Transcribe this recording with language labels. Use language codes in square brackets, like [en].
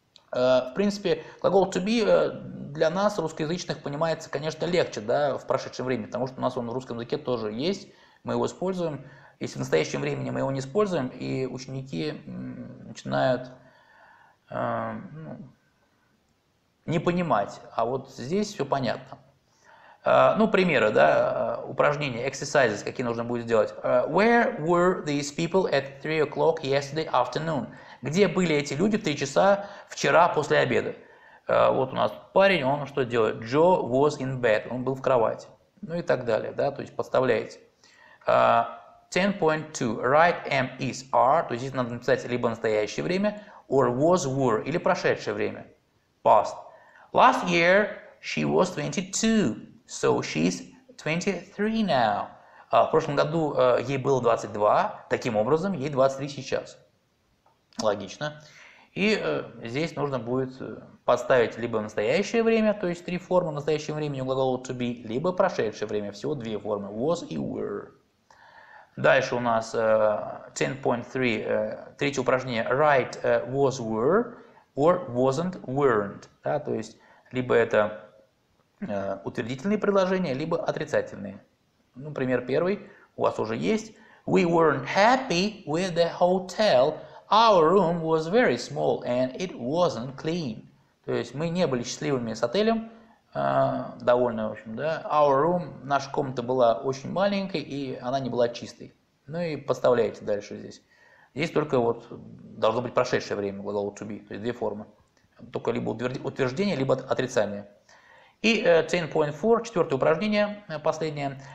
[ru] В принципе, глагол to be для нас, русскоязычных, понимается, конечно, легче, да, в прошедшем времени, потому что у нас он в русском языке тоже есть, мы его используем. Если в настоящем времени мы его не используем, и ученики начинают не понимать, а вот здесь все понятно. Ну, примеры, да, упражнения, exercises, какие нужно будет сделать. [en] Where were these people at 3 o'clock yesterday afternoon? [ru] Где были эти люди в 3 часа вчера после обеда? Вот у нас парень, он что делает? [en] Joe was in bed, [ru] он был в кровати. Ну и так далее, да, то есть подставляете. [en] 10.2. Write am, is, are. [ru] То есть здесь надо написать либо настоящее время, [en] or was, were, [ru] или прошедшее время. [en] Past. Last year she was 22, so she's 23 now. [ru] В прошлом году ей было 22, таким образом ей 23 сейчас. Логично. И здесь нужно будет подставить либо настоящее время, то есть три формы настоящего времени у глагола to be, либо прошедшее время, всего две формы, was и were. Дальше у нас 10.3, третье упражнение, [en] write was, were, or wasn't, weren't. [ru] Да, то есть либо это утвердительные предложения, либо отрицательные. Ну, пример первый у вас уже есть. [en] We weren't happy with the hotel. Our room was very small and it wasn't clean. [ru] То есть мы не были счастливыми с отелем, довольно, в общем, да. [en] Our room, [ru] наша комната была очень маленькой и она не была чистой. Ну и подставляете дальше здесь. Здесь только вот должно быть прошедшее время, глагол to be, то есть две формы. Только либо утверждение, либо отрицание. И 10.4, четвертое упражнение, последнее.